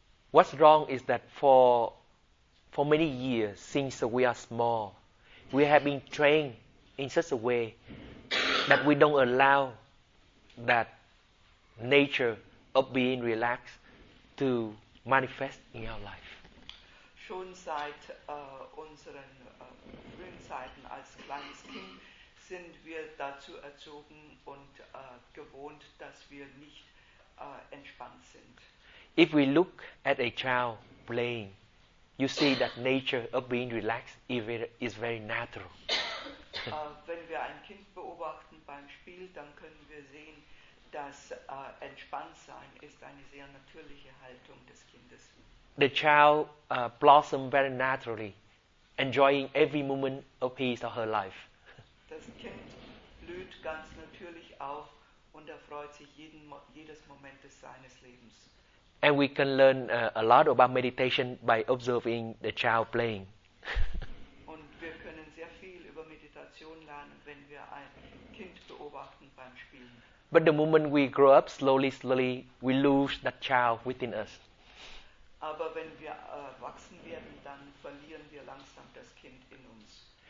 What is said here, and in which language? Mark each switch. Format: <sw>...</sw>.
<en>What's wrong is that for many years, since we are small, we have been trained in such a way that we don't allow that nature of being relaxed to manifest in our life.</en> <de>Schon seit unseren frühen Zeiten als kleines Kind sind wir dazu erzogen und gewohnt, dass wir nicht entspannt sind.</de> <en>If we look at a child playing, you see that nature of being relaxed is very natural.</en> <de>Wenn wir ein Kind beobachten beim Spiel, dann können wir sehen, dass entspannt sein ist eine sehr natürliche Haltung des Kindes.</de> <en>The child blossoms very naturally, enjoying every moment of his or her life.</en> <de>Das Kind blüht ganz natürlich auf und erfreut sich jedes Moment seines Lebens.</de> <en>And we can learn a lot about meditation by observing the child playing.</en> <de>Und wir können sehr viel über Meditation lernen, wenn wir ein Kind beobachten beim Spielen.</de> <en>But the moment we grow up, slowly, we lose that child within us.</en> <de>Aber wenn wir wachsen werden, dann verlieren wir langsam das Kind in uns.</de>